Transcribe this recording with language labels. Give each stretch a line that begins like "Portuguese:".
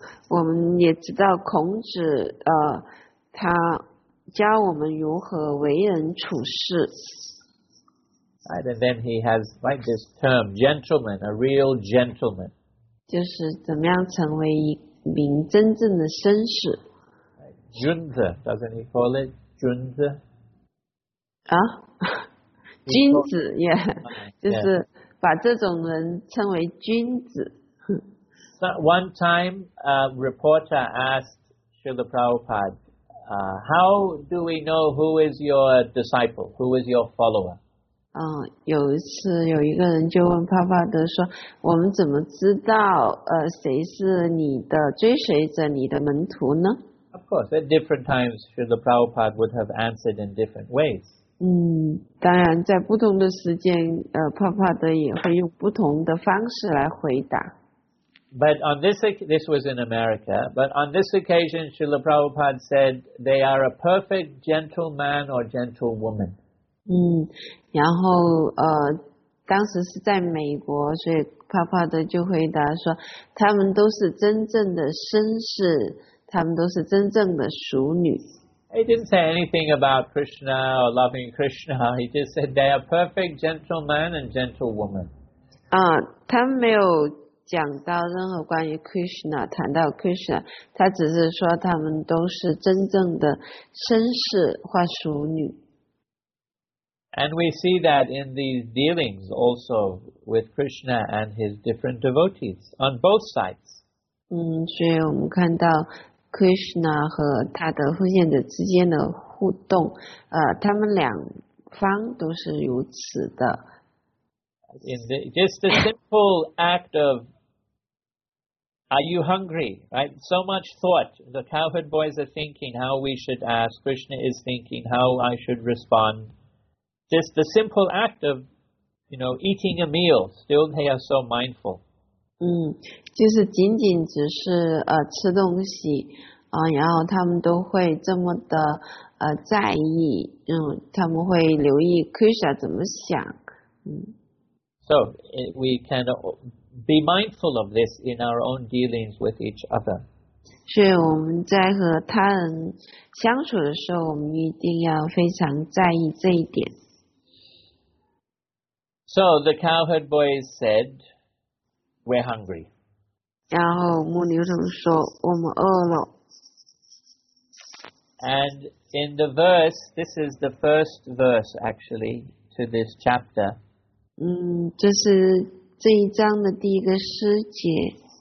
Chinese: 我们也知道孔子，他教我们如何为人处事。
English: Right, and then he has like this term, gentleman, a real gentleman.
Chinese: 就是怎么样成为一名真正的绅士。
English: Junzi, doesn't he call it? Junzi?
Chinese: 君子 yeah. 就是把这种人称为君子。
English: So one time, a reporter asked Srila Prabhupada, how do we know who is your disciple, who is your follower?
Chinese: 有一次有一个人就问帕帕德说，我们怎么知道谁是你的追随者，你的门徒呢？
English: Of course, at different times, Srila Prabhupada would have answered in different ways.
Chinese: 当然在不同的时间帕帕德也会用不同的方式来回答。
English: But on this was in America, but on this occasion, Srila Prabhupada said, they are a perfect gentleman or gentlewoman.
Chinese: 然后当时是在美国，所以帕帕德就回答说，他们都是真正的绅士，他们都是真正的淑女。
English: He didn't say anything about Krishna or loving Krishna, he just said they are perfect gentleman and gentlewoman.
Chinese: 他没有讲到任何关于 Krishna， 谈到 Krishna， 他只是说他们都是真正的绅士或淑女。
English: And we see that in these dealings also with Krishna and his different devotees on both sides.
Chinese: 所以我们看到 Krishna 和他的奉献者之间的互动，他们两方都是如此的。
English: Just a simple act of Are you hungry? Right? So much thought. The cowherd boys are thinking how we should ask. Krishna is thinking how I should respond. Just the simple act of, you know, eating a meal. Still they are so mindful.
Chinese: 就是仅仅只是吃东西然后他们都会这么的在意他们会留意 Krishna 怎么想。
English: So we can be mindful of this in our own dealings with each other.
Chinese: 所以我们在和他人相处的时候，我们一定要非常在意这一点。
English: So the cowherd boys said, "We're hungry."
Chinese: 然后牧牛人说，我们饿了。
English: And in the verse, this is the first verse actually to this chapter.
Chinese: 这是这一章的第一个诗节。